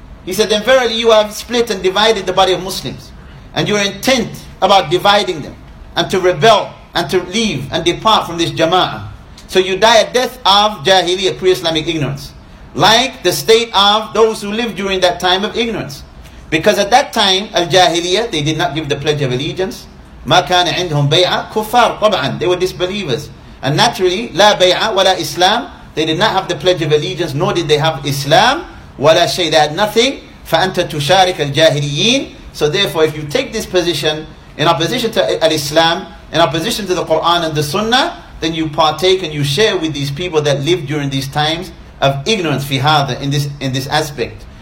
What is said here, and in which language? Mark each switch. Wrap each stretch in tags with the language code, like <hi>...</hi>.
<en>He said, then verily you have split and divided the body of Muslims. And you are intent about dividing them and to rebel and to leave and depart from this jama'ah. So you die a death of jahiliyyah, pre-Islamic ignorance. Like the state of those who lived during that time of ignorance. Because at that time, al-jahiliyyah, they did not give the pledge of allegiance.</en> <ar>مَا كَانَ عِنْدْهُمْ بَيْعَةً كُفَّارْ طَبْعًا.</ar> <en>They were disbelievers. And naturally,</en> <ar>لَا بَيْعَةً وَلَا إِسْلَامٍ.</ar> <en>They did not have the pledge of allegiance, nor did they have Islam.</en> <ar>وَلَا شَيْءٍ.</ar> <en>They had nothing.</en> <ar>فَأَنْتَ تُشَارِكَ الْجَاهِلِيِّينَ.</ar> <en>So therefore, if you take this position, in opposition to al-Islam, in opposition to the Qur'an and the Sunnah, then you partake and you share with these people that lived during these times of ignorance,</en> <ar>في هذا,</ar> <en>in this aspect.</en>